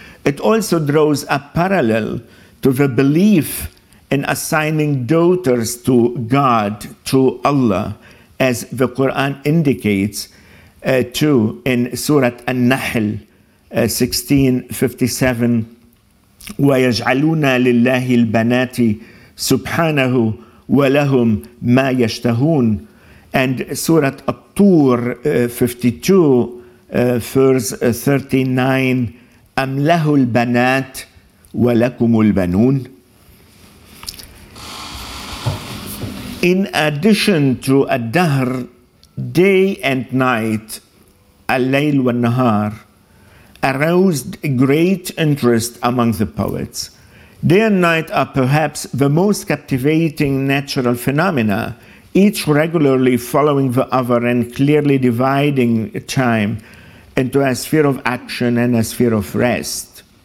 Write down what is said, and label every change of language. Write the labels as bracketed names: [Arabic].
[English] It also draws a parallel to the belief in assigning daughters to God, to Allah, as the Quran indicates too in Surah An-Nahl 16:57, [Arabic] وَيَجْعَلُونَ لِلَّهِ الْبَنَاتِ سُبْحَانَهُ وَلَهُمْ مَا يَشْتَهُونَ. [English] And Surah At-Tur 52, verse 39, [Arabic] أَمْ لَهُ الْبَنَاتِ وَلَكُمُ الْبَنُونَ. [English] In addition to a dahr, day and night, a layl wa nahar, aroused great interest among the poets. Day and night are perhaps the most captivating natural phenomena, each regularly following the other and clearly dividing time into a sphere of action and a sphere of rest.